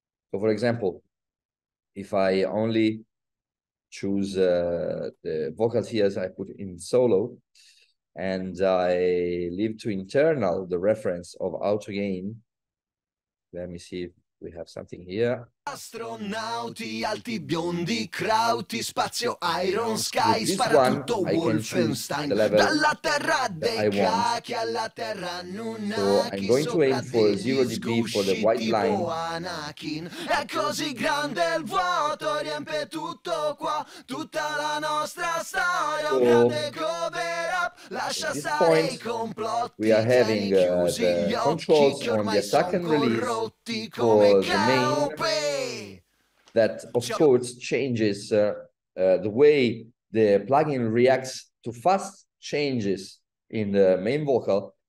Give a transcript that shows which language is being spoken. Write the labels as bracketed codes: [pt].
[en] So for example, if I only choose the vocals here, as I put in solo, and I leave to internal the reference of AutoGain. Let me see if we have something here. [it] Astronauti, alti biondi, krauti, spazio, iron sky, sparatutto Wolfenstein, dalla terra dei cacchi alla terra nunnaki. [en] So I'm going to aim for 0 dB for the white line. [it] È così grande il vuoto, riempie tutto qua, tutta la nostra storia, un grande cover up. Lascia stare i complotti, [en] we are having the controls on the attack and release for the main. That, of course, changes the way the plugin reacts to fast changes in the main vocal.